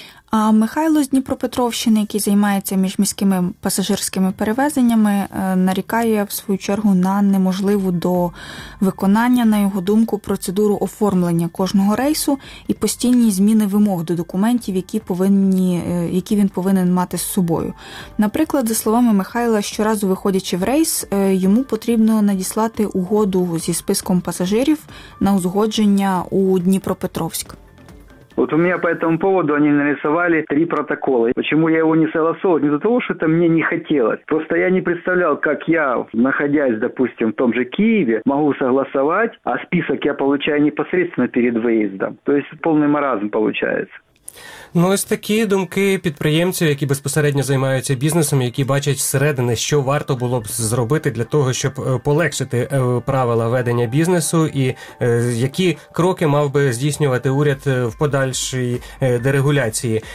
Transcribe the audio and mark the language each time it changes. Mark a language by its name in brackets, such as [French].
[Ukrainian] А Михайло з Дніпропетровщини, який займається міжміськими пасажирськими перевезеннями, нарікає в свою чергу на неможливу до виконання, на його думку, процедуру оформлення кожного рейсу і постійні зміни вимог до документів, які він повинен мати з собою. Наприклад, за словами Михайла, щоразу виходячи в рейс, йому потрібно надіслати угоду зі списком пасажирів на узгодження у Дніпропетровськ. [Russian] Вот у меня по этому поводу они нарисовали 3 протокола. Почему я его не согласовывал? Не за того, что это мне не хотелось. Просто я не представлял, как я, находясь, допустим, в том же Киеве, могу согласовать, а список я получаю непосредственно перед выездом. То есть полный маразм получается. [Ukrainian] Ну, ось такі думки підприємців, які безпосередньо займаються бізнесом, які бачать зсередини, що варто було б зробити для того, щоб полегшити правила ведення бізнесу і які кроки мав би здійснювати уряд в подальшій дерегуляції.